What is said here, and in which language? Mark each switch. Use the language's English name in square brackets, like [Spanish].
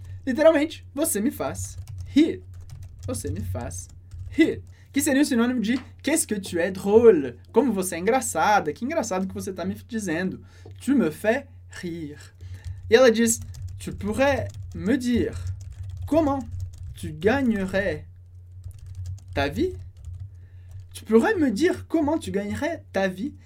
[Portuguese] Literalmente, você me faz rir. Você me faz rir. Que seria o sinônimo de [French] qu'est-ce que tu es drôle? [Portuguese] Como você é engraçada? Que engraçado que você está me dizendo. [French] Tu me fais rire. [Portuguese] E ela diz, [French] tu pourrais me dire comment tu gagnerais ta vie? Tu pourrais me dire comment tu gagnerais ta vie?